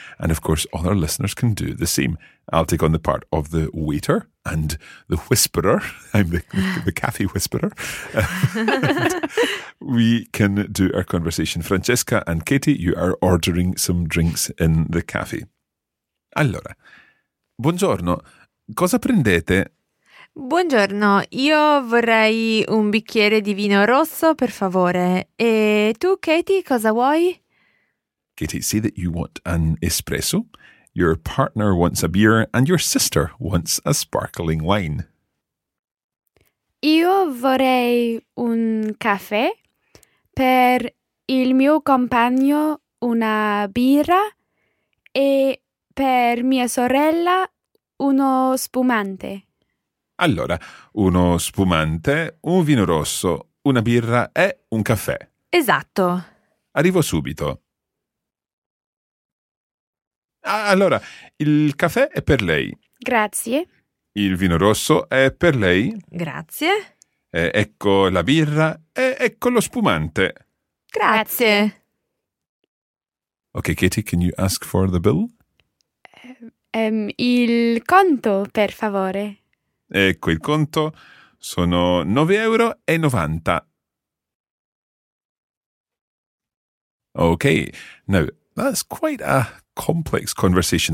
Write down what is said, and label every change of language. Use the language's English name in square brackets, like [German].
[English] And of course, all our listeners can do the same. I'll take on the part of the waiter and the whisperer. I'm the cafe whisperer. We can do our conversation. Francesca and Katie, you are ordering some drinks in the cafe. [Italian] Allora, buongiorno, cosa prendete? Buongiorno, io vorrei un bicchiere di vino rosso, per favore. E tu, Katie, cosa vuoi? [English] Katie, say that you want an espresso, your partner wants a beer and your sister wants a sparkling wine. [Italian] Io vorrei un caffè, per il mio compagno una birra e per mia sorella uno spumante. Allora, uno spumante, un vino rosso, una birra e un caffè. Esatto. Arrivo subito. Allora, il caffè è per lei. Grazie. Il vino rosso è per lei. Grazie. E ecco la birra e ecco lo spumante. Grazie. [English] Ok, Katie, can you ask for the bill? [Italian] Il conto, per favore. Ecco il conto, sono 9,90 euro. [English] Okay, now that's quite a complex conversation.